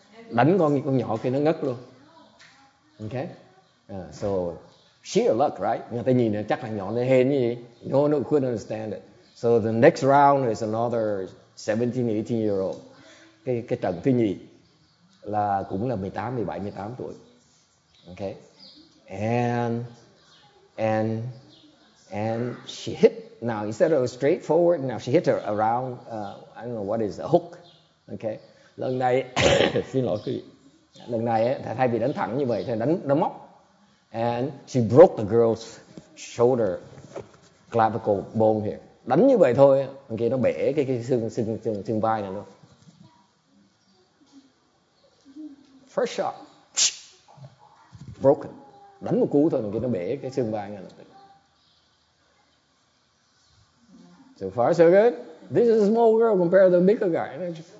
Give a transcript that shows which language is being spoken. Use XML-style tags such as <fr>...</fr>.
<vi>Đánh con nhỏ kia nó ngất luôn. Okay.</vi> <en>So sheer luck, right?</en> <vi>Người ta nhìn nó chắc là nhỏ nó hên như vậy.</vi> <en>No, couldn't understand it. So the next round is another 17-18-year-old.</en> <vi>Cái trận thứ nhì là cũng là 18 tuổi.</vi> <en>Okay, and she hit. Now instead of straightforward, now she hit her around. I don't know what is a hook.</en> <vi>Okay, lần này xin lỗi quý vị. Lần này thay vì đánh thẳng như vậy, thì đánh móc.</vi> <en>And she broke the girl's shoulder clavicle bone here.</en> <vi>Đánh như vậy thôi, okay, nó bể cái xương vai này luôn.</vi> <en>First shot. Broken.</en> <vi>Đánh một cú thôi mà nó bể cái xương vai ngay lập tức.</vi> <en>So far so good. This is a small girl compared to a bigger guy.</en>